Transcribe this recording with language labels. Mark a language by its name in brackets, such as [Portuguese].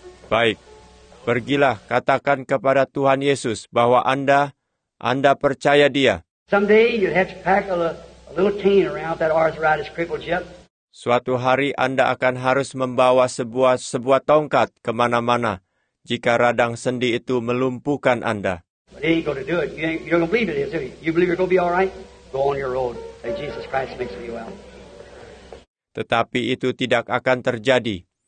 [Indonesian] Baik. Pergilah, katakan kepada Tuhan Yesus bahwa Anda percaya Dia. [English] Someday you'd have to pack a little cane around that arthritis crippled jet. [Indonesian] Suatu hari Anda akan harus membawa sebuah tongkat kemana-mana jika radang sendi itu melumpuhkan Anda. [English] But he ain't gonna do it. You don't believe it, is it? You believe you're gonna be all right? Go on your road. And Jesus Christ makes you well. [Indonesian] Tetapi itu tidak akan terjadi.